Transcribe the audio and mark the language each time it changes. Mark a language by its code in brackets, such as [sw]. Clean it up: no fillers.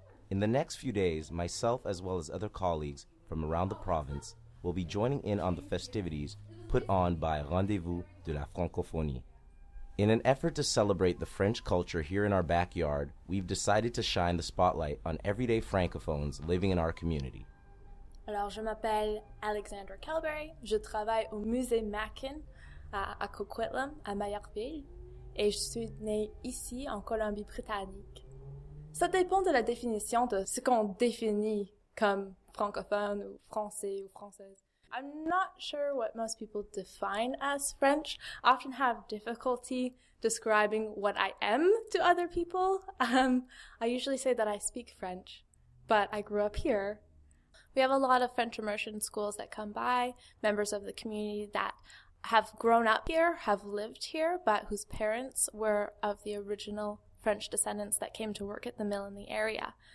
[en] In the next few days, myself as well as other colleagues from around the province will be joining in on the festivities put on by Rendez-vous de la Francophonie. In an effort to celebrate the French culture here in our backyard, we've decided to shine the spotlight on everyday francophones living in our community. [fr] Alors, je m'appelle Alexandra Calberry. Je travaille au Musée Mackin à Coquitlam, à Maillardville, et je suis née ici en Colombie-Britannique. Ça dépend de la définition de ce qu'on définit comme francophone ou français ou française. [en] I'm not sure what most people define as French. I often have difficulty describing what I am to other people. I usually say that I speak French, but I grew up here. We have a lot of French immersion schools that come by, members of the community that have grown up here, have lived here, but whose parents were of the original French descendants that came to work at the mill in the area.